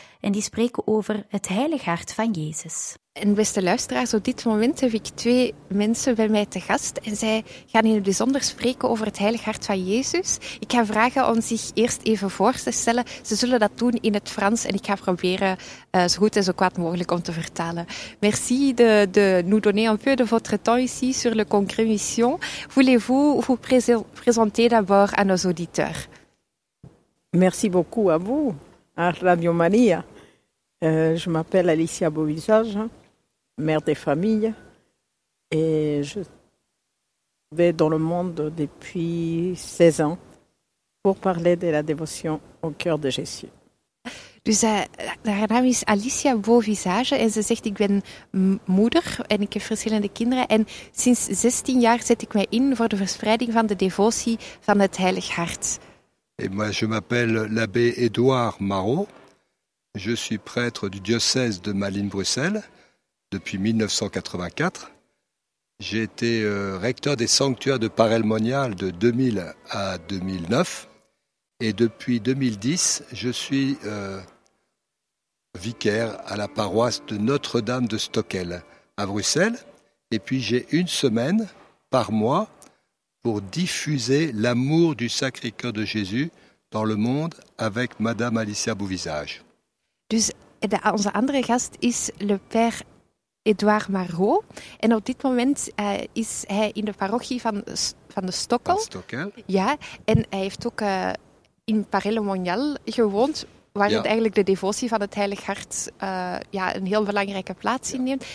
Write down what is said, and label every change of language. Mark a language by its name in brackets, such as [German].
[Dutch] En die spreken over het Heilig Hart van Jezus. En beste luisteraars, op dit moment heb ik twee mensen bij mij te gast. En zij gaan in het bijzonder spreken over het Heilig Hart van Jezus. Ik ga vragen om zich eerst even voor te stellen. Ze zullen dat doen in het Frans en ik ga proberen zo goed en zo kwaad mogelijk om te vertalen. [French] Merci de nous donner un peu de votre temps ici sur le congrès mission. Voulez-vous vous présenter d'abord à nos auditeurs? Merci beaucoup à vous. Radio Maria, je m'appelle Alicia Beauvisage, mère de famille, et je vais dans le monde depuis 16 ans pour parler de la dévotion au cœur de Jésus. [Dutch] Dus haar naam is Alicia Beauvisage en ze zegt ik ben moeder en ik heb verschillende kinderen en sinds 16 jaar zet ik mij in voor de verspreiding van de devotie van het Heilig Hart. [French] Et moi, je m'appelle l'abbé Édouard Marot. Je suis prêtre du diocèse de Malines-Bruxelles depuis 1984. J'ai été recteur des sanctuaires de Paray-le-Monial de 2000 à 2009. Et depuis 2010, je suis vicaire à la paroisse de Notre-Dame de Stockel à Bruxelles. Et puis, j'ai une semaine par mois pour diffuser l'amour du Sacré-Cœur de Jésus dans le monde avec Madame Alicia Beauvisage. [Dutch] Dus onze andere gast is le père Édouard Marot. En op dit moment is hij in de parochie van de Stockel. Van Stockel. Ja, en hij heeft ook in Paray-le-Monial gewoond, waar het eigenlijk de devotie van het Heilig Hart een heel belangrijke plaats inneemt.